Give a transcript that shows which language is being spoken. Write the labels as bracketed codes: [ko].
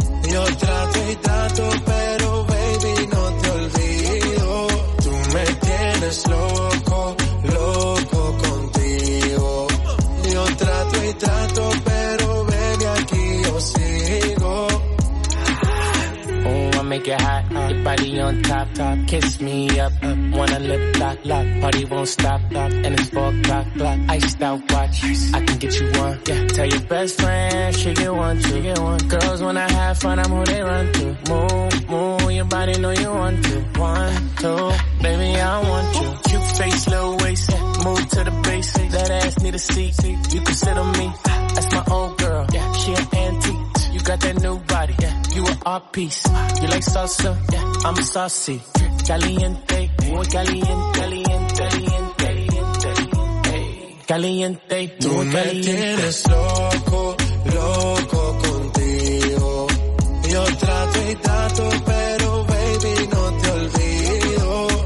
[es] Yo trato y trato, pero baby, no te olvido. Tú me tienes loco, loco contigo. Yo trato y trato, pero baby, aquí yo sigo. [en] Oh, I make it hot, your body on top, top. Kiss me up, wanna lip lock, lock. Party won't stop, lock. And it's 4 o'clock, block. Iced out watch, I can get you one, yeah. Tell your best friend, she get one, she get one. Girls wanna have fun, I'm who they run to. Move, move, your body know you want to. One, two, baby, I want you. Cute face, little waist, yeah. Move to the basics. That ass need a seat, you can sit on me. That's my old girl, yeah, she an antique. You got that new body, yeah. You an art piece. You like salsa? Yeah, I'm saucy. [es] Caliente, muy caliente, caliente, caliente, caliente, caliente. Tú me tienes loco, loco contigo. Yo trato y trato, pero baby, no te olvido.